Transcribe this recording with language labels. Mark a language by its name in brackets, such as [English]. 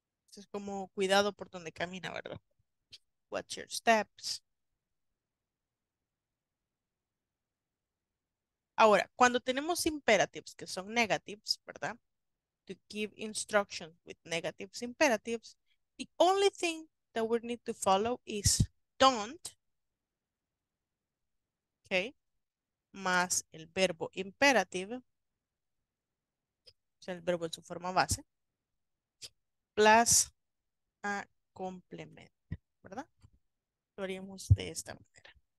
[Spanish] Esto es como cuidado por donde camina, ¿verdad? [English] Watch your steps. [Spanish] Ahora, cuando tenemos imperatives, que son negatives, ¿verdad? [English] To give instructions with negatives, imperatives, the only thing that we need to follow is don't. [Spanish] Okay, más el verbo imperative, o sea, el verbo en su forma base, [English] plus a complement, [Spanish] ¿verdad? Lo haríamos de esta manera.